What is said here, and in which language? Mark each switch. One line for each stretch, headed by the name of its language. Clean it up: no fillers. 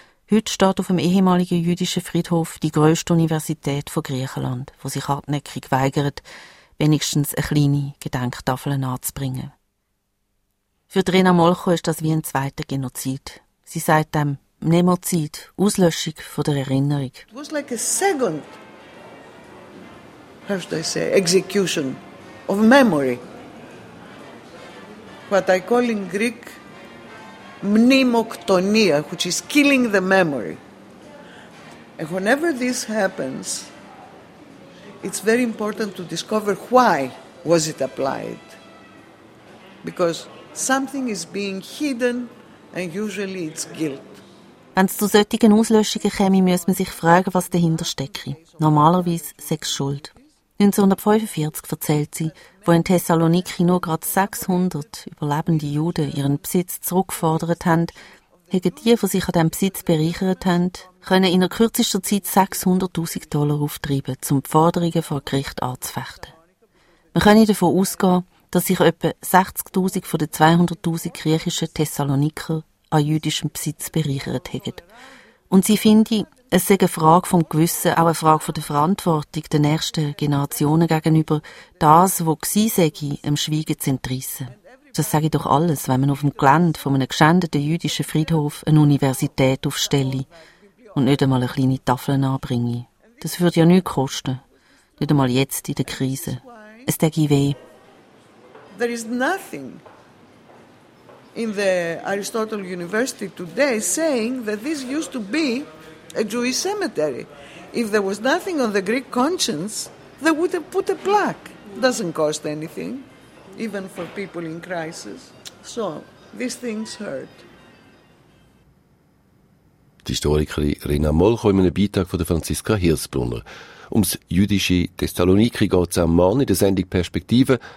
German: Heute steht auf dem ehemaligen jüdischen Friedhof die grösste Universität von Griechenland, wo sich hartnäckig weigert, wenigstens eine kleine Gedenktafel anzubringen. Für Rena Molcho ist das wie ein zweiter Genozid. Sie sagt dem Nemozid, Auslöschung von der Erinnerung.
English: It was like a second, how should I say, execution of memory. What I call in Greek mnemoktonia, which is killing the memory. And whenever this happens, it's very important to discover why was it applied. Because something is being hidden and usually it's guilt.
German: Wenn es zu solchen Auslöschungen käme, müsste man sich fragen, was dahinter stecke. Normalerweise sei es Schuld. 1945 erzählt sie, wo in Thessaloniki nur gerade 600 überlebende Juden ihren Besitz zurückgefordert haben, haben die, die sich an diesem Besitz bereichert haben, können in der kürzester Zeit 600'000 Dollar auftreiben, um die Forderungen vor Gericht anzufechten. Wir können davon ausgehen, dass sich etwa 60'000 von den 200'000 griechischen Thessaloniker an jüdischem Besitz bereichert haben. Und sie finden, es sei eine Frage vom Gewissen, auch eine Frage der Verantwortung der nächsten Generationen gegenüber, das, was gewesen sei, im Schweigen zu entreissen. Das sage ich doch alles, wenn man auf dem Gelände von einem geschändeten jüdischen Friedhof eine Universität aufstelle und nicht einmal eine kleine Tafel anbringe. Das würde ja nichts kosten. Nicht einmal jetzt in der Krise. Es täte weh.
English: There is nothing in the Aristotle University today saying that this used to be a Jewish cemetery. If there was nothing on the Greek conscience, they would have put a plaque. It doesn't cost anything, even for people in crisis. So, these things hurt.
German: Die Historikerin Rena Molcho in einem Beitrag von Franziska Hirsbrunner. Ums jüdische Thessaloniki geht es am Morgen in der Sendung Perspektive.